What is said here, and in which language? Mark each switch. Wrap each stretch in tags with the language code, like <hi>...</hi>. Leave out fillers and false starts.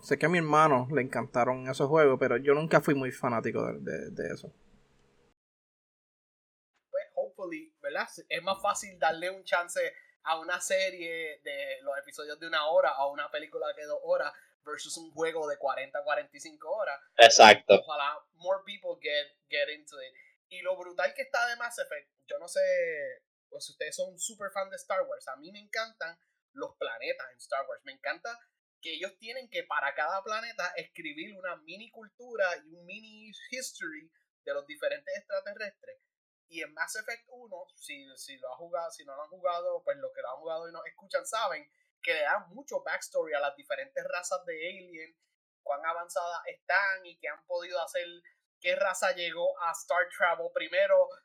<es>Sé que a mi hermano le encantaron esos juegos, pero yo nunca fui muy fanático de eso. Pues, hopefully, ¿verdad? Es más fácil darle un chance a una serie de los episodios de una hora o una película de 2 horas versus un juego de 40-45 horas. Exacto.</es> <en>Ojalá more people get into it.</en> <es>Y lo brutal que está de Mass Effect, yo no sé... Pues si ustedes son super fan de Star Wars, a mí me encantan los planetas en Star Wars. Me encanta que ellos tienen que, para cada planeta, escribir una mini cultura y un mini history de los diferentes extraterrestres. Y en Mass Effect 1, si lo han jugado, si no lo han jugado, pues los que lo han jugado y no escuchan saben que le dan mucho backstory a las diferentes razas de alien, cuán avanzadas están y qué han podido hacer, qué raza llegó a Star Travel primero.</es>